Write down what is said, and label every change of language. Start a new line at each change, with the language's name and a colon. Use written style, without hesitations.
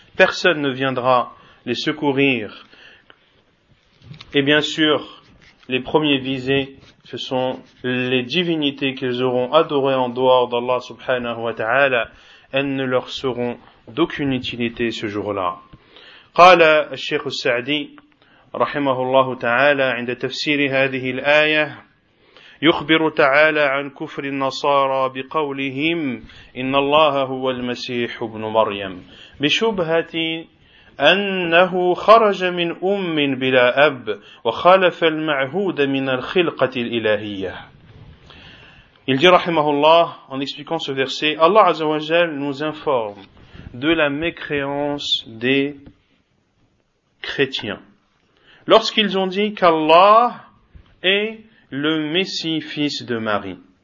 French: Personne ne viendra les secourir. Et bien sûr, les premiers visés, ce sont les divinités qu'ils auront adorées en dehors d'Allah subhanahu wa ta'ala. Elles ne leur seront d'aucune utilité ce jour-là.
Arabic: Qala al-Sheikh al-Sa'di, rahimahullahu ta'ala, عند تفسير هذه الآية, يخبر تعالى عن كفر النصارى بقولهم إن الله هو المسيح ابن مريم بشبهة أنه خرج من أم بلا أب وخالف المعهود من الخلقة الإلهية.
French: Il dit rahimahullah, en expliquant ce verset, Allah Azza wa Jal nous informe de la mécréance des chrétiens lorsqu'ils ont dit qu'Allah est le Messie fils de Marie.